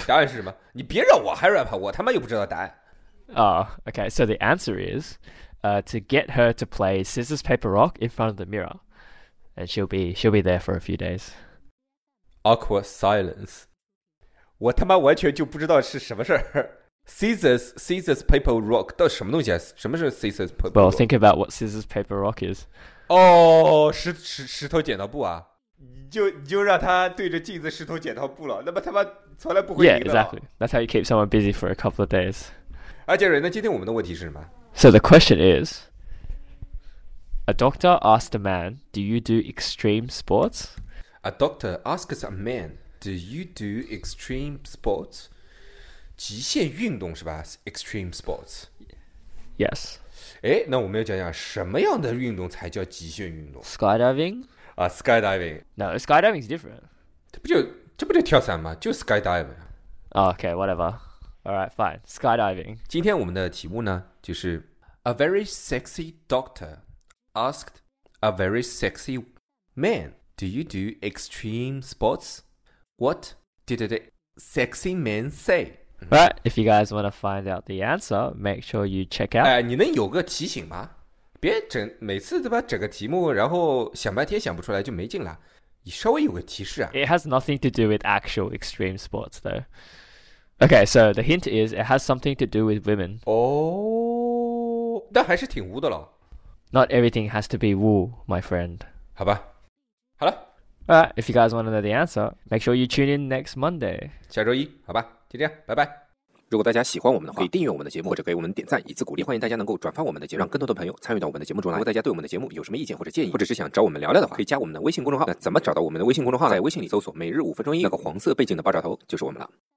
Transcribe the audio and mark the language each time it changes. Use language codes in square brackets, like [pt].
[zh] 答案是什么你别让我 [en] hurry up [zh] 我他妈又不知道答案 [en] Oh, okay, so the answer is to get her to play scissors, paper, rock in front of the mirror And she'll be there for a few days Awkward silence [zh] 我他妈完全就不知道是什么事儿 [en] Scissors, paper, rock [zh] 到什么东西啊什么是 [en] scissors, paper, rock Well, think about what scissors, paper, rock is [zh] 哦石头剪刀布啊你就让他对着镜子石头剪刀布了那么他妈从来不会赢的 [en] Yeah, exactly That's how you keep someone busy for a couple of days [zh] 啊Jerry 那今天我们的问题是什么 [en] So the question is A doctor asked a man Do you do extreme sports? A doctor asks a man, do you do extreme sports? [zh] 极限运动是吧 ? [en] Extreme sports. Yes. [zh] 诶那我们要讲讲什么样的运动才叫极限运动 [en] ?Skydiving? 啊、,skydiving. No, skydiving is different. [zh] 这不就跳伞吗就 skydiving.、 [en] Oh, okay, whatever. Alright, fine. Skydiving. [zh] 今天我们的题目呢就是 [en] A very sexy doctor asked a very sexy man. Do you do extreme sports? What did the sexy man say? Right, if you guys want to find out the answer, make sure you check out. [zh] 你能有个提醒吗？别整每次对吧，整个题目，然后想半天想不出来就没劲了。你稍微有个提示啊。 [en] It has nothing to do with actual extreme sports, though. Okay, so the hint is it has something to do with women. [zh] Oh, 但还是挺污的了。 [en] Not everything has to be woo, my friend. [zh] 好吧。好了 [en] Alright, if you guys want to know the answer, make sure you tune in next Monday. [zh] 下周一，好吧，就这样，拜拜。如果大家喜欢我们的话，可以订阅我们的节目，或者给我们点赞，以此鼓励。欢迎大家能够转发我们的节目，让更多的朋友参与到我们的节目中来。如果大家对我们的节目有什么意见或者建议，或者是想找我们聊聊的话，可以加我们的微信公众号。那怎么找到我们的微信公众号呢？在微信里搜索每日五分钟一，那个黄色背景的爆炸头就是我们了。